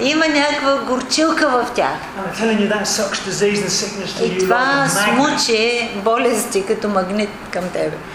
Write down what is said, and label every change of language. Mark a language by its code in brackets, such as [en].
[bg] Има някаква горчилка в тях. [en] I'm telling you, that sucks disease and sickness to you. [bg] И това смучи болести като магнит към тебе.